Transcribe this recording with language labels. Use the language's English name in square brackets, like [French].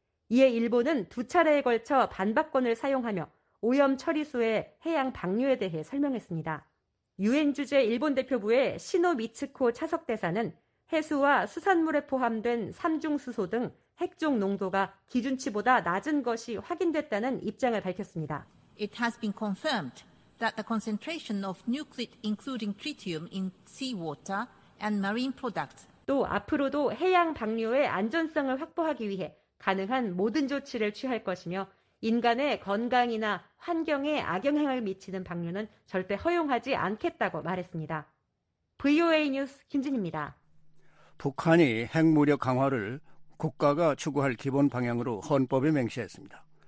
[Korean] 이에 일본은 두 차례에 걸쳐 반박권을 사용하며 오염 처리수의 해양 방류에 대해 설명했습니다. 유엔 주재 일본 대표부의 시노 미츠코 차석 대사는 해수와 수산물에 포함된 삼중수소 등 핵종 농도가 기준치보다 낮은 것이 확인됐다는 입장을 밝혔습니다. [English] It has been confirmed that the concentration of nuclide including tritium in seawater and marine products. [Korean] 또 앞으로도 해양 방류의 안전성을 확보하기 위해 가능한 모든 조치를 취할 것이며 인간의 건강이나 환경에 악영향을 미치는 방류는 절대 허용하지 않겠다고 말했습니다. VOA 뉴스 김진입니다. 북한이 핵무력 강화를 국가가 추구할 기본 방향으로 헌법에 맹시했습니다.